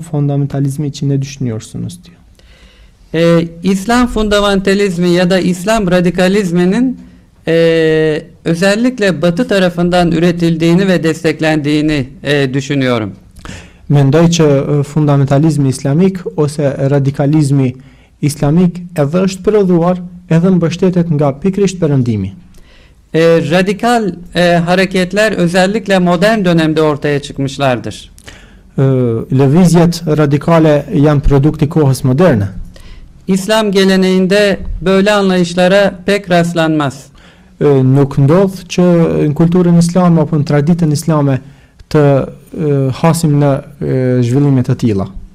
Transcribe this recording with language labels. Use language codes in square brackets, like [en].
[tr] fundamentalizmi için ne düşünüyorsunuz diyor. İslam fundamentalizmi ya da İslam radikalizminin özellikle Batı tarafından üretildiğini ve desteklendiğini düşünüyorum. [sq] Mendoj që fundamentalizmi islamik ose radikalizmi islamik edhe është prodhuar edhe mbështetet nga pikrisht perëndimi. [tr] Radikal hareketler özellikle modern dönemde ortaya çıkmışlardır. [sq] Lëvizjet radikale janë produkti kohës moderne. [tr] İslam geleneğinde böyle anlayışlara pek rastlanmaz. [sq] Nuk ndodh që në kulturën islame apo në traditën islame të hasim në zhvillimet e tilla.